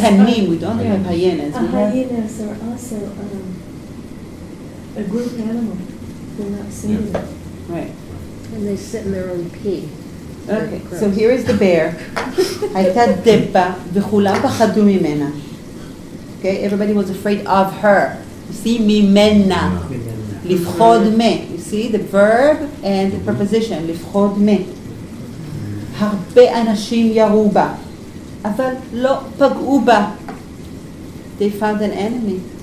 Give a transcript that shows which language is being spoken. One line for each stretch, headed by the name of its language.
English: Have tanim, we don't have hyenas. Hyenas are also a group animal. We're not seeing them. Right. And they sit in their own pee. Okay, so here is the bear.
Hebrew: הייתה דבה וכולם פחדו ממנה.
English: Okay, everybody was afraid of her. You see, ממנה.
Hebrew: לפחוד מ.
English: You see, the verb and the preposition.
Hebrew: לפחוד מ. הרבה אנשים ירו בה. אבל לא פגעו בה.
English: They found an enemy.